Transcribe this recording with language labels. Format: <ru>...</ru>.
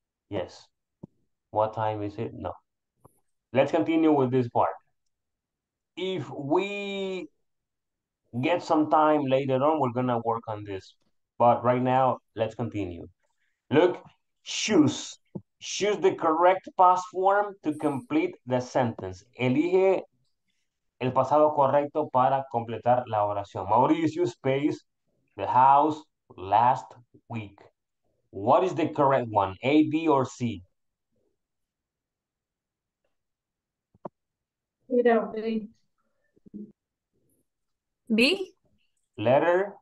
<en>Yes. What time is it? No. Let's continue with this part. If we get some time later on, we're going to work on this. But right now, let's continue. Look, choose. Choose the correct past form to complete the sentence.</en> <es>Elige el pasado correcto para completar la oración.</es> <en>Mauricio, space, the house, last week. What is the correct one, A, B, or C? B? Letter?</en>